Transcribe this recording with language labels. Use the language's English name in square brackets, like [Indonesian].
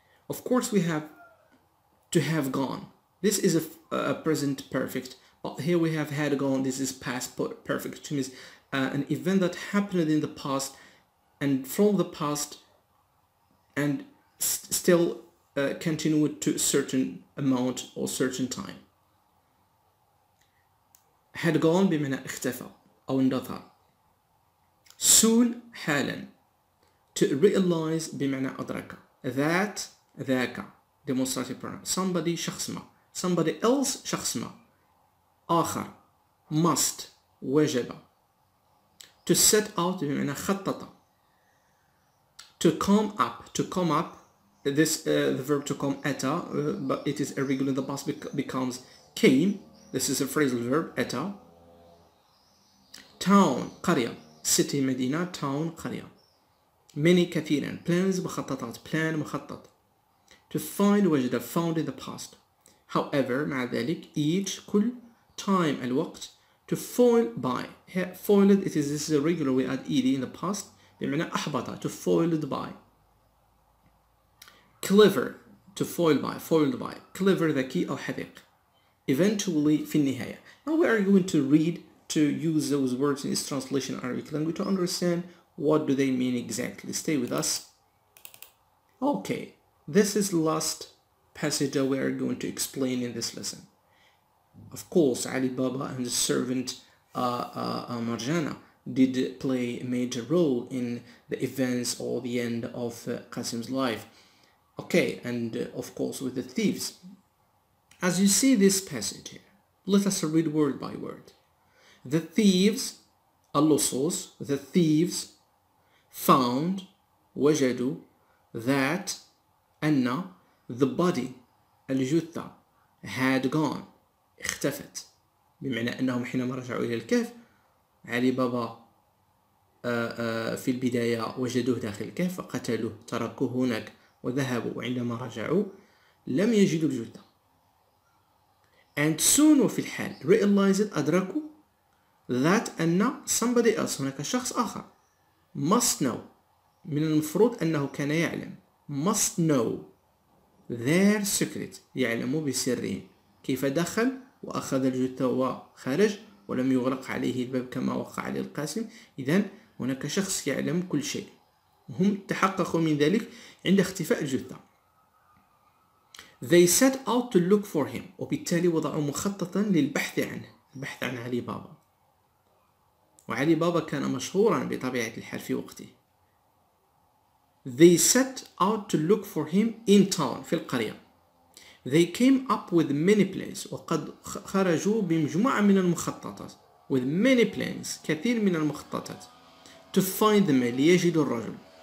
[English] Of course we have to have gone. This is a present perfect. But here we have had gone. This is past perfect, which means an event that happened in the past and from the past and still continued to a certain amount or certain time. Had gone [Arabic] بمعنى اختفى أو اندثر. [English] Soon [Arabic] حالا. [English] To realize [Arabic] بمعنى أدرك. [English] That [Arabic] ذاك. [English] Demonstrative pronoun. Somebody [Arabic] شخص ما. [English] Somebody else [Arabic] شخص ما. آخر. [English] Must. [Arabic] وجب. [English] To set out بمعنى خطط. To come up. To come up. This the verb to come [Arabic] أتى [English] but it is irregular in the past becomes came. This is a phrasal verb [Arabic] أتى. [English] Town قرية city مدينة town قرية. Many [Arabic] كثيرا [English] plans [Arabic] مخططات [English] plan [Arabic] مخطط. [English] To find [Arabic] وجد [English] found in the past. However [Arabic] مع ذلك [English] each [Arabic] كل [English] time [Arabic] الوقت. [English] To foil by here foiled it is this is irregular we add ed in the past [Arabic] بمعنى أحبطة [English] to foiled by. Clever, to foil by, foiled by. Clever, [Arabic] ذكي أو حذق. [English] Eventually, [Arabic] في النهاية. [English] Now we are going to read to use those words in this translation Arabic language to understand what do they mean exactly. Stay with us. Okay, this is the last passage that we are going to explain in this lesson. Of course, Ali Baba and his servant Marjana did play a major role in the events or the end of Qasim's life. Okay, and of course with the thieves. As you see this passage here, let us read word by word. The thieves, [Arabic] اللصوص, [English] the thieves found, [Arabic] وجدوا, [English] that, [Arabic] أن, [English] the body, [Arabic] الجثة, [English] had gone, [Arabic] اختفت. بمعنى أنهم حينما رجعوا إلى الكهف, علي بابا في البداية وجدوه داخل الكهف فقتلوه, تركوه هناك. وذهبوا وعندما رجعوا لم يجدوا الجثة. [English] And soon [Arabic] وفي الحال [English] realized [Arabic] أدركوا [English] that [Arabic] أن [English] somebody else [Arabic] هناك شخص آخر [English] must know [Arabic] من المفروض أنه كان يعلم [English] must know their secret [Arabic] يعلم بسرهم كيف دخل وأخذ الجثة وخرج ولم يغلق عليه الباب كما وقع على القاسم. إذن هناك شخص يعلم كل شيء هم تحققوا من ذلك عند اختفاء الجثة. [English] They set out to look for him [Arabic] وبالتالي وضعوا مخططا للبحث عنه البحث عن علي بابا. وعلي بابا كان مشهورا بطبيعة الحال في وقته. [English] They set out to look for him in town [Arabic] في القرية. [English] They came up with many plans [Arabic] وقد خرجوا بمجموعة من المخططات [English] with many plans [Arabic] كثير من المخططات [English] to find the man [Arabic] ليجدوا الرجل.